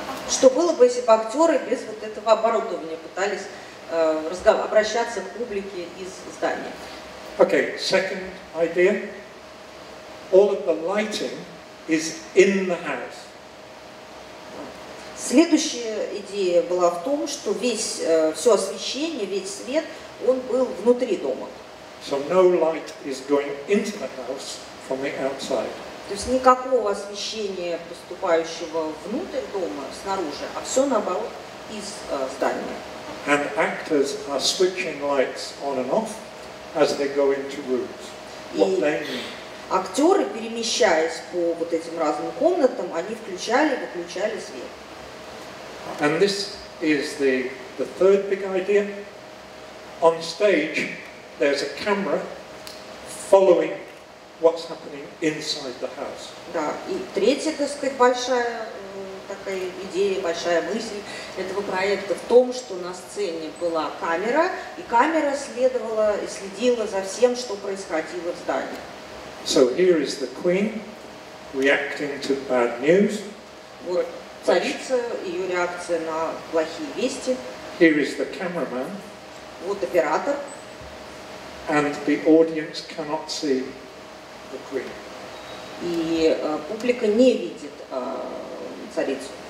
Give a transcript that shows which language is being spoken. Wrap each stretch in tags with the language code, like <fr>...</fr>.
<ru>Что было бы, если бы актеры без вот этого оборудования пытались обращаться к публике из здания?</ru> <en>Okay, second idea. All of the lighting is in the house.</en> <ru>Следующая идея была в том, что весь все освещение, весь свет, он был внутри дома.</ru> <en>So no light is going into the house from the outside.</en> <ru>То есть никакого освещения, поступающего внутрь дома, снаружи, а все наоборот из здания.</ru> <en>And actors are switching lights on and off as they go into rooms. What they mean?</en> <ru>Актеры, перемещаясь по вот этим разным комнатам, они включали и выключали свет.</ru> <en>And this is the third big idea. On stage, there's a camera following what's happening inside the house.</en> <ru>Да, и третья, так сказать, большая такая идея, большая мысль этого проекта в том, что на сцене была камера, и камера следовала и следила за всем, что происходило в здании.</ru> <en>So here is the queen reacting to bad news.</en> <ru>Вот царица, ее реакция на плохие вести.</ru> <en>Here is the cameraman.</en> <ru>Вот оператор.</ru> <en>And the audience cannot see the queen.</en> <ru>И публика не видит царицу.</ru>